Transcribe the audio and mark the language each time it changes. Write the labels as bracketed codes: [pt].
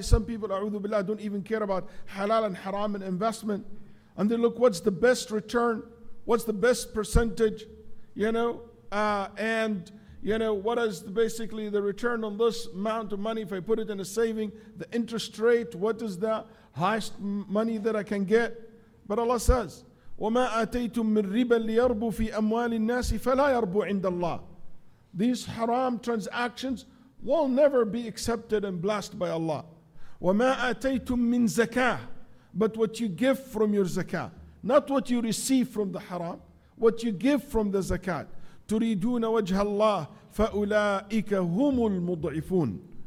[en] Some people, a'udhu billah, don't even care about halal and haram and investment. And they look, what's the best return? What's the best percentage? You know, what is basically the return on this amount of money if I put it in a saving? The interest rate, what is the highest money that I can get? [ar] But Allah says, وَمَا أَتَيْتُم مِّن رِبًا لِيَرْبُوا فِي أَمْوَالِ النَّاسِ فَلَا يَرْبُوا عِنْدَ اللَّهِ. [en] These haram transactions will never be accepted and blessed by Allah. [ar] وَمَا أَتَيْتُم مِّن زَكَاهِ. [en] But what you give from your zakah, not what you receive from the haram, what you give from the zakat. [ar] تُرِيدُونَ وَجْهَ اللَّهِ فَأُولَٰئِكَ هُمُ الْمُضْعِفُونَ.